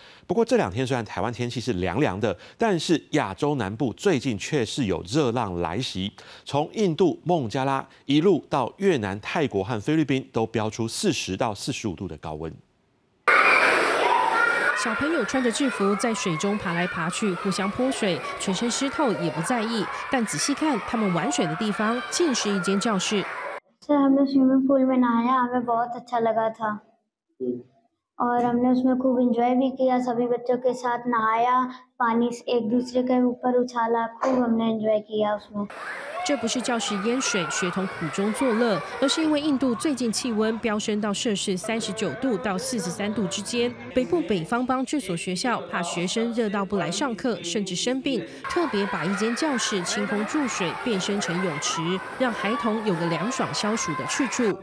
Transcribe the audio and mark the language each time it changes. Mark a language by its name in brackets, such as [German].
[Chinese] 不过这两天虽然台湾天气是凉凉的，但是亚洲南部最近却是有热浪来袭，从印度孟加拉一路到越南、泰国和菲律宾都飙出40到45度的高温。小朋友穿着制服在水中爬来爬去，互相泼水，全身湿透也不在意，但仔细看他们玩水的地方竟是一间教室。在我们 swimming pool 里面拿呀，我们觉得很好玩。 [Hindi] और हमने उसमें खूब एंजॉय भी किया, सभी बच्चों के साथ नहाया, पानी एक दूसरे के ऊपर उछाला, खूब हमने एंजॉय किया उसमें। [Chinese] 这不是教室淹水，学童苦中作乐，而是因为印度最近气温飙升到摄氏39度到43度之间。北部北方邦这所学校怕学生热到不来上课，甚至生病，特别把一间教室清空注水，变身成泳池，让孩童有个凉爽消暑的去处。